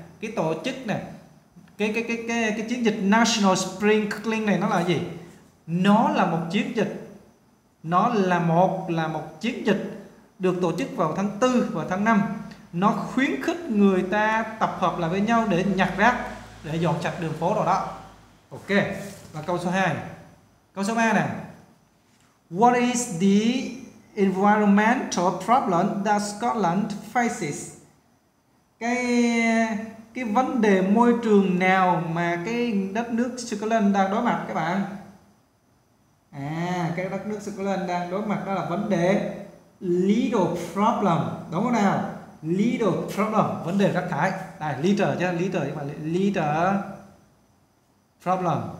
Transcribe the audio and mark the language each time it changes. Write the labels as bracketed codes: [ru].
[vi] Cái tổ chức này, cái chiến dịch National Sprinkling này nó là gì? Nó là một chiến dịch. Nó là một chiến dịch được tổ chức vào tháng 4 và tháng 5. Nó khuyến khích người ta tập hợp lại với nhau để nhặt rác, để dọn sạch đường phố rồi đó. Ok. Và câu số 2. Câu số 3 này. [en] What is the environmental problem that Scotland faces? [vi] Cái vấn đề môi trường nào mà cái đất nước Scotland đang đối mặt các bạn? À, cái đất nước Scotland đang đối mặt đó là vấn đề little problem. Đúng không nào? Little problem, vấn đề rác thải. Đây, little chứ, little nhưng mà little problem.